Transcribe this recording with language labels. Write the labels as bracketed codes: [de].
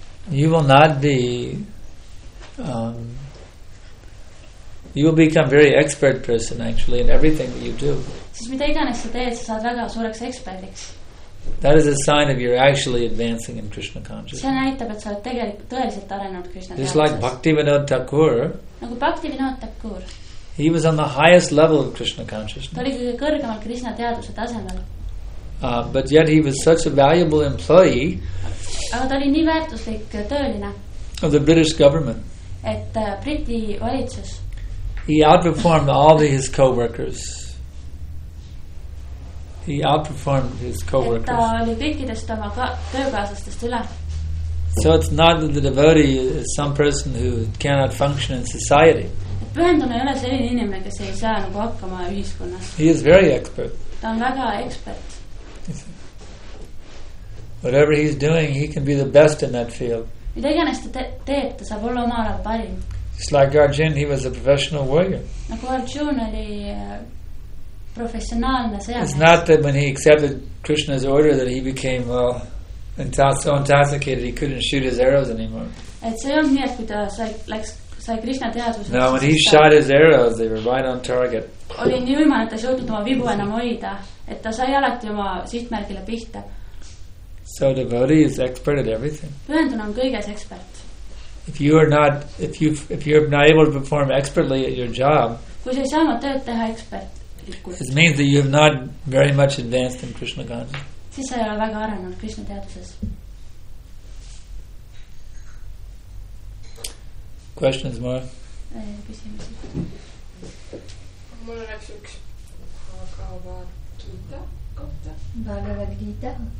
[en] you will not be you will become very expert person actually in everything that you do. [et] Siis mida iganes sa teed, sa saad väga suureks eksperdiks. [en] That is a sign of you're actually advancing in Krishna consciousness. [et] See näitab, et sa oled tegelikult tõeliselt arenud Krishna teaduses. [en] Just like Bhaktivinoda Thakur. [et] Nagu Bhaktivinoda Thakur. [en] He was on the highest level of Krishna consciousness. [et] Ta oli kõige kõrgemal Krishna teaduse tasemel. [en] But yet he was such a valuable employee. [et] Aga ta oli nii väärtuslik tööline. [en] Of the British government. [et] Et Briti valitsus. [en] He outperformed all his co-workers. He outperformed his co-workers. [et] Et ta oli kõikidest oma töökaaslastest üle. [en] So it's not that the devotee is some person who cannot function in society. [et] Pühendune ei ole selline inimene, kes ei saa nagu hakkama ühiskonnas. [en] He is very expert. [et] Ta on väga expert. [en] Whatever he's doing, he can be the best in that field. [et] Mida iganes ta teeb, ta saab olla oma ala parim. [en] Just like Arjun, he was a professional warrior. [et] Nagu Arjun oli professionaalne sõjamees. [en] It's not that when he accepted Krishna's order that he became so intoxicated he couldn't shoot his arrows anymore. [et] Et see on nii, et kui ta sai Krishna teaduse. [en] No, when he shot his arrows, they were right on target. [et] Oli nii võimalik, et ta ei suutnud oma vibu enam hoida, et ta sai alati oma sihtmärgile pihta. [en] So the devotee is expert at everything. [et] Pühendunud on kõiges expert. [en] If you're not able to perform expertly at your job, [et] kui sa ei saa tööd teha expertlikult, [en] it means that you have not very much advanced in Krishna consciousness. [et] Siis sa ei ole väga arenud Krishna teaduses. [en] Questions more? [et] Küsimusi. Mul on üks Bhagavad Gita.